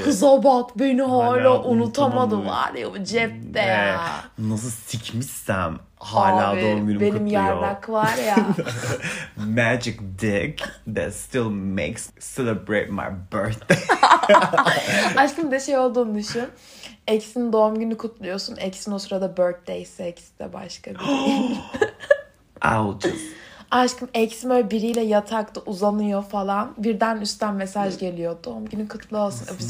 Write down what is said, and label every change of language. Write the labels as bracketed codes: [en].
[tr] Kıza bak, beni hala unutamadı var ya bu cepte ya. Nasıl sikmişsem hala abi, doğum günümü benim kutluyor. Benim yardak var ya. [en] Magic dick that still makes celebrate my birthday. [tr] Aşkım de şey olduğunu düşün. Ex'in doğum günü kutluyorsun. Ex'in o sırada [en] birthday sex [tr] de başka bir şey. [en] I'll just... [tr] Aşkım eksim öyle biriyle yatakta uzanıyor falan. Birden üstten mesaj geliyor. Doğum günün kutlu olsun.